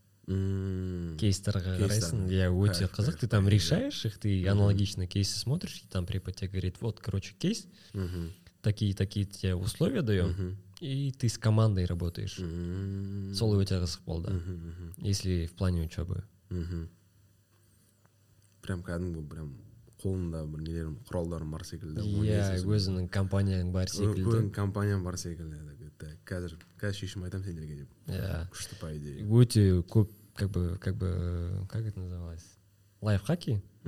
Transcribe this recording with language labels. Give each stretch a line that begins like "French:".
Kazakh: Кейстерға қарайсың, я өте қызық,
Russian: ты там решаешь их, ты аналогично кейсы смотришь, и там препод тебе говорит, вот, короче, кейс, такие-такие тебе условия даем, и ты с командой работаешь. Солы у тебя рассыпал, да, если в плане учебы.
Kazakh: Прям кәдімгі, прям қолында бір нелерім, құралдарым бар секілді. Я, өзінің компанияң бар секілді. Өзінің компанияң бар секілді. Қазір шешім айтам сендерге деп. Күшті па идея. Өте көп,
Russian: как это называлось? Лайфхаки?